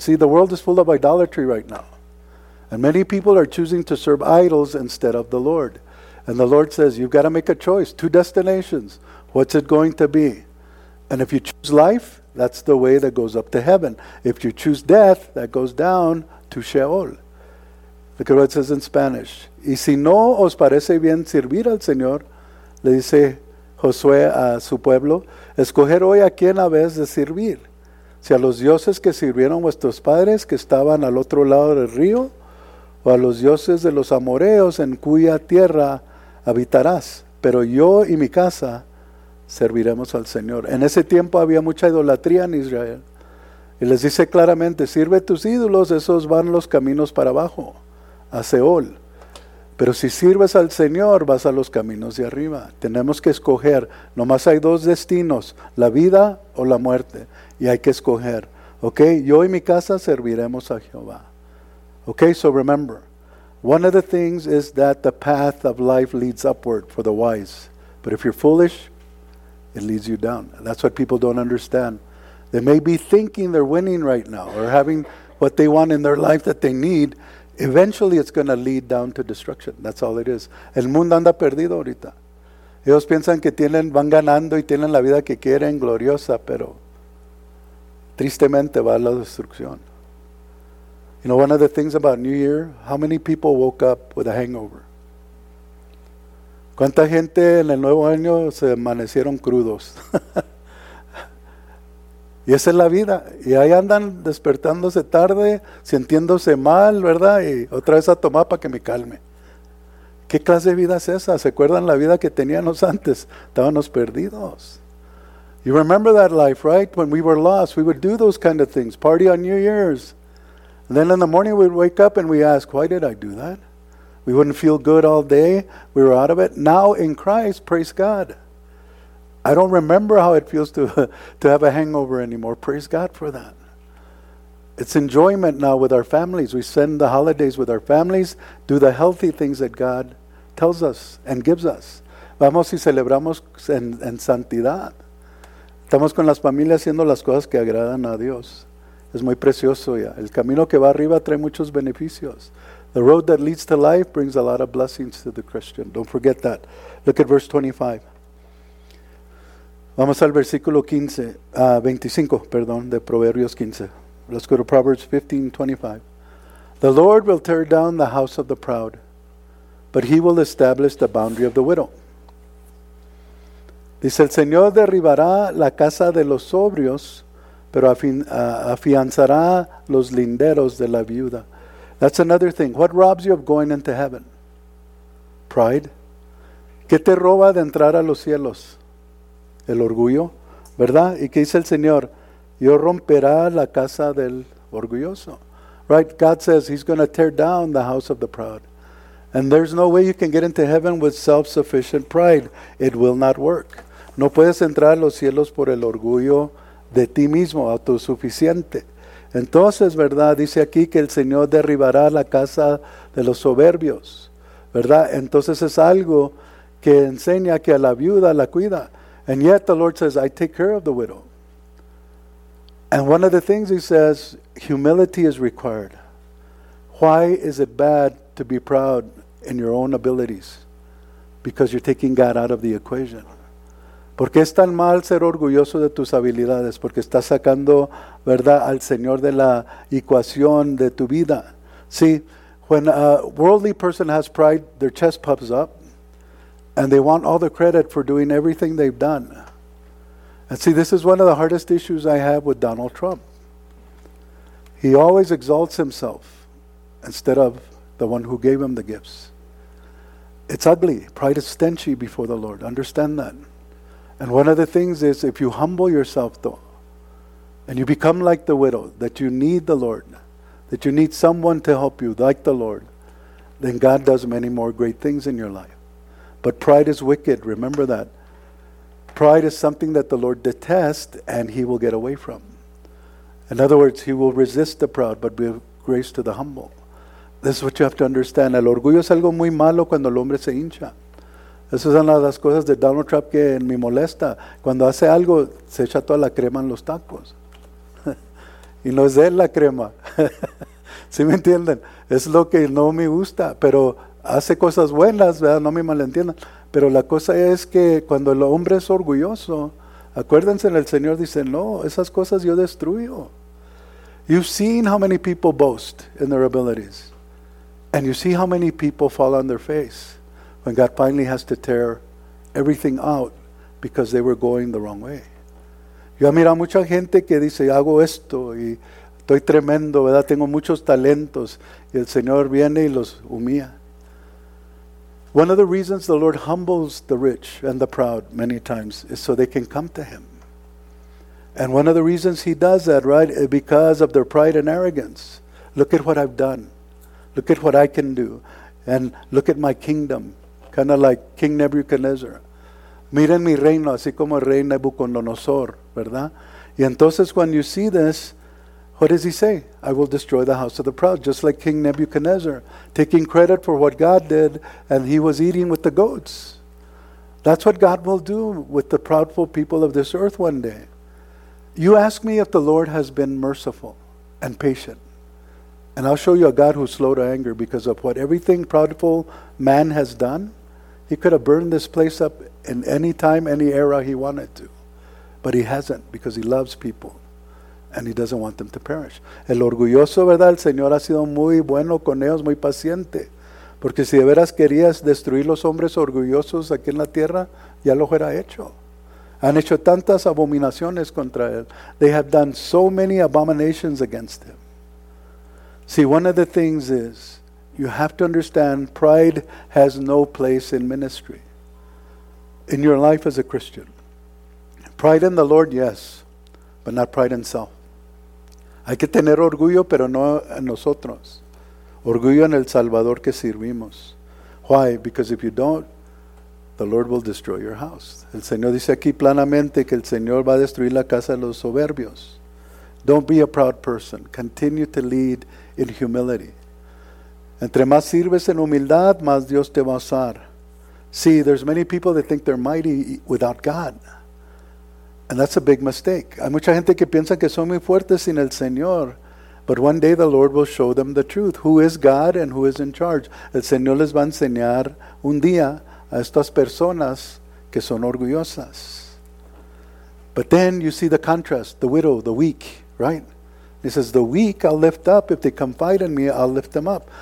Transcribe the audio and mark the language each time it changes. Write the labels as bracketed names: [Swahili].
[English] See, the world is full of idolatry right now. And many people are choosing to serve idols instead of the Lord. And the Lord says, you've got to make a choice. Two destinations. What's it going to be? And if you choose life, that's the way that goes up to heaven. If you choose death, that goes down to Sheol. Look at what it says in Spanish. [Spanish] Y si no os parece bien servir al Señor, le dice Josué a su pueblo, escoger hoy a quién habéis de servir. Si a los dioses que sirvieron vuestros padres que estaban al otro lado del río, o a los dioses de los amoreos en cuya tierra habitarás. Pero yo y mi casa serviremos al Señor. En ese tiempo había mucha idolatría en Israel. Y les dice claramente, sirve tus ídolos, esos van los caminos para abajo, a Seol. Pero si sirves al Señor, vas a los caminos de arriba. Tenemos que escoger, nomás hay dos destinos, la vida o la muerte. Y hay que escoger, ¿ok? Yo y mi casa serviremos a Jehová. ¿Ok? [English] So remember, one of the things is that the path of life leads upward for the wise. But if you're foolish, it leads you down. That's what people don't understand. They may be thinking they're winning right now or having what they want in their life that they need, eventually it's going to lead down to destruction. That's all it is. [Spanish] El mundo anda perdido ahorita. Ellos piensan que tienen, van ganando y tienen la vida que quieren, gloriosa, pero tristemente va a la destrucción. [English] You know, one of the things about New Year, how many people woke up with a hangover? [Spanish] ¿Cuánta gente en el nuevo año se amanecieron crudos? Y esa es la vida. Y ahí andan despertándose tarde, sintiéndose mal, ¿verdad? Y otra vez a tomar para que me calme. ¿Qué clase de vida es esa? ¿Se acuerdan la vida que teníamos antes? Estábamos perdidos. [English] You remember that life, right? When we were lost, we would do those kind of things. Party on New Year's. And then in the morning we'd wake up and we ask, why did I do that? We wouldn't feel good all day. We were out of it. Now in Christ, praise God. I don't remember how it feels to have a hangover anymore. Praise God for that. It's enjoyment now with our families. We spend the holidays with our families, do the healthy things that God tells us and gives us. [Spanish] Vamos y celebramos en santidad. Estamos con las familias haciendo las cosas que agradan a Dios. Es muy precioso ya. El camino que va arriba trae muchos beneficios. [English] The road that leads to life brings a lot of blessings to the Christian. Don't forget that. Look at verse 25. [Spanish] Vamos al versículo 25, de Proverbios 15. [English] Let's go to Proverbs 15:25. The Lord will tear down the house of the proud, but he will establish the boundary of the widow. [Spanish] Dice, el Señor derribará la casa de los sobrios, pero afianzará los linderos de la viuda. [English] That's another thing. What robs you of going into heaven? Pride. [Spanish] ¿Qué te roba de entrar a los cielos? El orgullo, ¿verdad? ¿Y qué dice el Señor? Yo romperá la casa del orgulloso. [English] Right? God says he's going to tear down the house of the proud. And there's no way you can get into heaven with self-sufficient pride. It will not work. [Spanish] No puedes entrar a los cielos por el orgullo de ti mismo, autosuficiente. Entonces, ¿verdad? Dice aquí que el Señor derribará la casa de los soberbios. ¿Verdad? Entonces es algo que enseña que a la viuda la cuida. [English] And yet the Lord says, I take care of the widow. And one of the things he says, humility is required. Why is it bad to be proud in your own abilities? Because you're taking God out of the equation. ¿Por qué es tan mal ser orgulloso de tus habilidades? Porque estás sacando, ¿verdad?, al Señor de la ecuación de tu vida. See, when a worldly person has pride, their chest puffs up. And they want all the credit for doing everything they've done. And see, this is one of the hardest issues I have with Donald Trump. He always exalts himself instead of the one who gave him the gifts. It's ugly. Pride is stenchy before the Lord. Understand that. And one of the things is, if you humble yourself, though, and you become like the widow, that you need the Lord, that you need someone to help you, like the Lord, then God does many more great things in your life. But pride is wicked, remember that. Pride is something that the Lord detests and he will get away from. In other words, he will resist the proud but give grace to the humble. This is what you have to understand. [Spanish] El orgullo es algo muy malo cuando el hombre se hincha. Esa es una de las cosas de Donald Trump que me molesta. Cuando hace algo, se echa toda la crema en los tacos. Y no es de él la crema. ¿Sí me entienden? Es lo que no me gusta, pero hace cosas buenas, ¿verdad? No me malentiendan. Pero la cosa es que cuando el hombre es orgulloso, acuérdense, el Señor dice, no, esas cosas yo destruyo. [English] You've seen how many people boast in their abilities. And you see how many people fall on their face when God finally has to tear everything out because they were going the wrong way. [Spanish] Yo he mirado mucha gente que dice, hago esto y estoy tremendo, ¿verdad? Tengo muchos talentos. Y el Señor viene y los humilla. [English] One of the reasons the Lord humbles the rich and the proud many times is so they can come to him. And one of the reasons he does that, right, is because of their pride and arrogance. Look at what I've done. Look at what I can do. And look at my kingdom. Kind of like King Nebuchadnezzar. [Spanish] Miren mi reino, así como el rey Nebuchadnezzar, ¿verdad? Y entonces [English] when you see this, what does he say? I will destroy the house of the proud, just like King Nebuchadnezzar, taking credit for what God did, and he was eating with the goats. That's what God will do with the proudful people of this earth one day. You ask me if the Lord has been merciful and patient. And I'll show you a God who's slow to anger because of what everything prideful man has done. He could have burned this place up in any time, any era he wanted to. But he hasn't, because he loves people and he doesn't want them to perish. [Spanish] El orgulloso, ¿verdad? El Señor ha sido muy bueno con ellos, muy paciente. Porque si de veras querías destruir los hombres orgullosos aquí en la tierra, ya lo hubiera hecho. Han hecho tantas abominaciones contra él. [English] They have done so many abominations against him. See, one of the things is, you have to understand, pride has no place in ministry, in your life as a Christian. Pride in the Lord, yes, but not pride in self. [Spanish] Hay que tener orgullo, pero no en nosotros. Orgullo en el Salvador que servimos. [English] Why? Because if you don't, the Lord will destroy your house. [Spanish] El Señor dice aquí planamente que el Señor va a destruir la casa de los soberbios. [English] Don't be a proud person. Continue to lead in humility. [Spanish] Entre más sirves en humildad, más Dios te va a usar. [English] See, there's many people that think they're mighty without God. And that's a big mistake. [Spanish] Hay mucha gente que piensa que son muy fuertes sin el Señor. [English] But one day the Lord will show them the truth. Who is God and who is in charge? [Spanish] El Señor les va a enseñar un día a estas personas que son orgullosas. [English] But then you see the contrast, the widow, the weak, right? He says, the weak I'll lift up. If they confide in me, I'll lift them up.